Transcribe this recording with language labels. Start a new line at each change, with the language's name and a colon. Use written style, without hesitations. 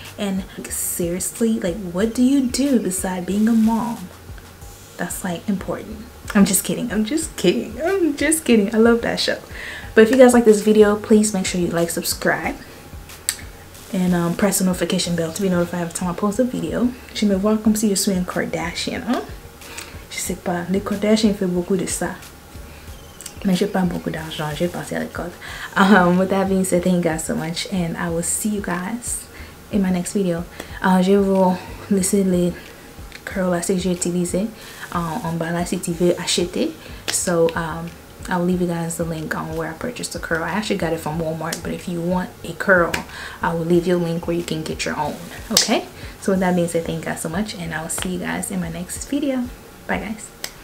English: And like, seriously, like, what do you do besides being a mom? That's like important. I'm just kidding. I love that show. But if you guys like this video, please make sure you like, subscribe, and press the notification bell to be notified every time I post a video.
French: Je me vois comme si je suis un Kardashian, hein? Je sais pas. Les Kardashians font beaucoup de ça. Mais j'ai pas beaucoup d'argent, j'ai passé à l'école.
English: With that being said, thank you guys so much, and I will see you guys in my next video.
French: Je vais vous laisser les curls que j'ai utilisés en bas là si tu veux acheter.
English: So I'll leave you guys the link on where I purchased the curl. I actually got it from Walmart, but if you want a curl, I will leave you a link where you can get your own. Okay, so with that being said, thank you guys so much, and I will see you guys in my next video. Bye guys.